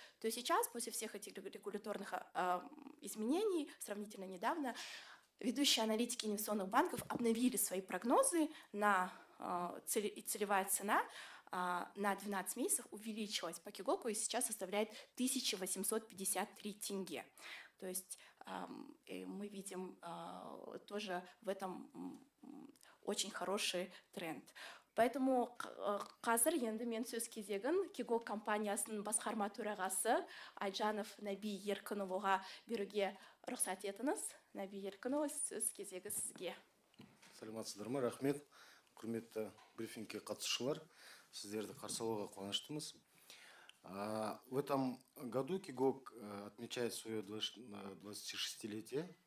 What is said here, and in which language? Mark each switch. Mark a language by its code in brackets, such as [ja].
[ru] То есть сейчас, после всех этих регуляторных изменений, сравнительно недавно, ведущие аналитики инвестиционных банков обновили свои прогнозы на целевая цена на 12 месяцев увеличилась по Кигоку и сейчас составляет 1853 тенге. То есть мы видим тоже в этом очень хороший тренд. Поэтому [kk] қазір енді мен сөз кезегін Кигок компаниясының басқарма төрағасы Айжанов Наби Еркіноваға беруге рұқсат етіңіз. Наби Еркінова, сөз кезегі сізге. Саламатсыздар ма, рахмет. Құрметті брифингке қатысушылар. Сіздерді қарсы алуға қуаныштымыз. [ru] В этом году Кигок отмечает свое 26-летие.